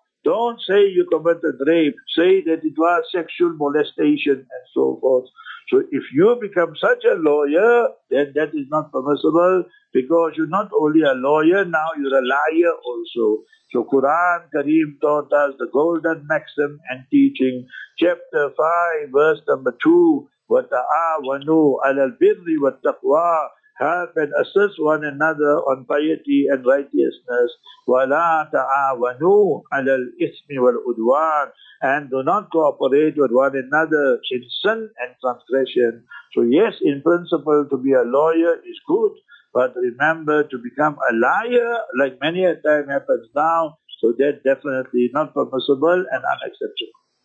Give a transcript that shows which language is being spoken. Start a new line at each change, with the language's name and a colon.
English: Don't say you committed rape. Say that it was sexual molestation and so forth. So if you become such a lawyer, then that is not permissible, because you're not only a lawyer, now you're a liar also. So Quran Kareem taught us the golden maxim and teaching. Chapter 5, verse number 2,
Arabic: وَتَعَوَنُوا عَلَى الْبِرِّ وَالتَّقْوَىٰ.
English: Help and assist one another on piety and righteousness.
Arabic: وَلَا تَعَوَنُوا عَلَى الْإِثْمِ وَالْعُدْوَانِ.
English: And do not cooperate with one another in sin and transgression. So yes, in principle, to be a lawyer is good. But remember, to become a liar, like many a time happens now, so that definitely not permissible and unacceptable.